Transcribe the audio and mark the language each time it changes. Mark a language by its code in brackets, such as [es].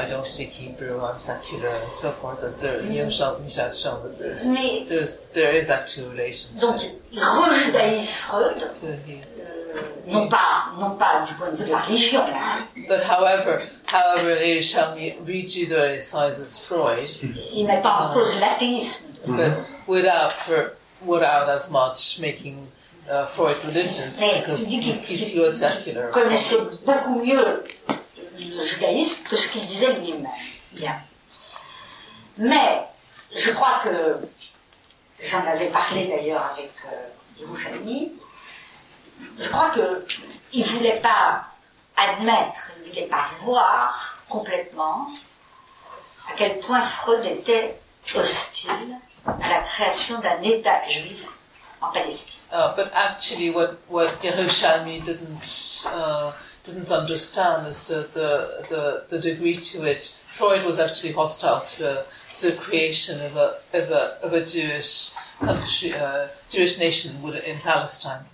[en] I don't speak Hebrew, I'm secular, and so forth. That Yerushalmi has shown that there is actual relationship. [fr] Donc, il rejudaïse Freud, non pas du point de vue de la religion. Hein. [en] But however, Yerushalmi rejudaïsizes Freud. [fr] Il met pas en cause l'athéisme. Mm-hmm. [en] Without as much making Freud religious, because he was secular. [fr] Il connaissait beaucoup mieux le judaïsme que ce qu'il disait lui-même. Bien. Mais je crois que j'en avais parlé d'ailleurs avec Yerushalmi. Je crois que il voulait pas admettre, il voulait pas voir complètement à quel point Freud était hostile à la création d'un État juif en Palestine. [en] But actually, what Yerushalmi didn't understand is the degree to which Freud was actually hostile to the creation of a Jewish country, Jewish nation in Palestine.